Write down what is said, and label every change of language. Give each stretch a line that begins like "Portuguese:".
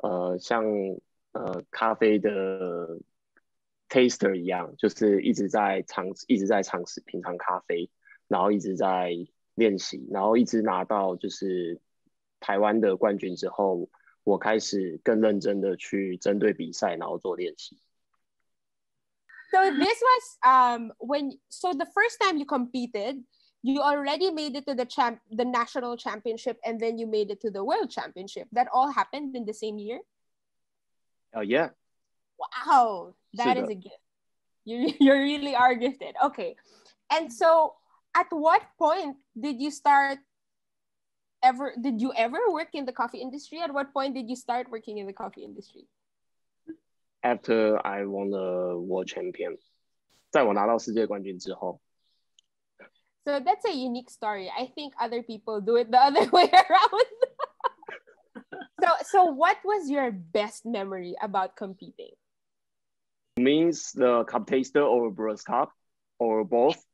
Chinese: 我就是跟日常的，像咖啡的 taster 一样，就是一直在尝试品尝咖啡，然后一直在练习，然后一直拿到就是 台湾的冠军之后, 我开始更认真的去针对比赛，然后做练习.
English: So this was the first time you competed, you already made it to the national championship, and then you made it to the world championship. That all happened in the same year. Yeah. Wow, that is a gift. You really are gifted. Okay, and so at what point did you start? Did you ever work in the coffee industry? At what point did you start working in the coffee industry? After I won the world champion.
Chinese: 在我拿到世界冠军之后.
English: So that's a unique story. I think other people do it the other way around. So what was your best memory about competing? Means the cup taster or brewer's cup or both?